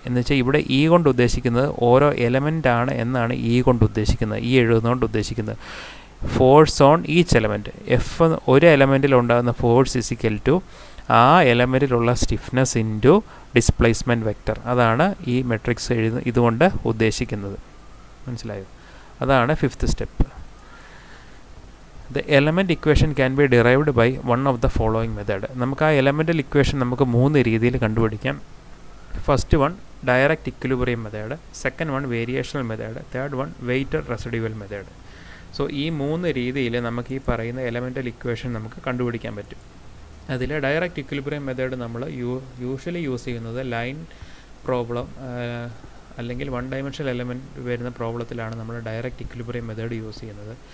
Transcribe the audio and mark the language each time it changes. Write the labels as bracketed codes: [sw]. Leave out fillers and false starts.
[ml] എന്ന് വെച്ചാൽ ഇവിടെ ഇ കൊണ്ട് ഉദ്ദേശിക്കുന്നത് ഓരോ എലമെൻ്റ് ആണ് എന്നാണ് ഇ കൊണ്ട് ഉദ്ദേശിക്കുന്നത്, ഈ എഴുതുന്നതുകൊണ്ട് ഉദ്ദേശിക്കുന്നത്. [en] force on each element, [ml] F ഒരു എലമെൻറ്റിൽ ഉണ്ടാകുന്ന ഫോഴ്സ് ഇസിക്കൽ ടു ആ എലമെൻറ്റിലുള്ള stiffness in to displacement vector. അതാണ് ഈ മെട്രിക്സ് എഴുതുന്ന ഇതുകൊണ്ട് ഉദ്ദേശിക്കുന്നത്. മനസ്സിലായോ? അതാണ് fifth step. [en] The element equation can be derived by one of the following method. [ml] നമുക്ക് ആ എലമെൻ്റൽ ഇക്വേഷൻ നമുക്ക് മൂന്ന് രീതിയിൽ കണ്ടുപിടിക്കാം. [en] First one direct equilibrium method, second one variational method, third one weighted residual method. [ml] So ഈ മൂന്ന് രീതിയിൽ നമുക്ക് ഈ പറയുന്ന എലമെൻ്റൽ ഇക്വേഷൻ നമുക്ക് കണ്ടുപിടിക്കാൻ പറ്റും. അതിൽ ഡയറക്റ്റ് ഇക്വിലിബ്രിയം മെത്തേഡ് നമ്മൾ യൂഷ്വലി യൂസ് ചെയ്യുന്നത് ലൈൻ പ്രോബ്ലം അല്ലെങ്കിൽ വൺ ഡയമെൻഷണൽ എലമെൻറ്റ് വരുന്ന പ്രോബ്ലത്തിലാണ് നമ്മൾ ഡയറക്റ്റ് ഇക്വിലിബ്രിയം മെത്തേഡ് യൂസ് ചെയ്യുന്നത്.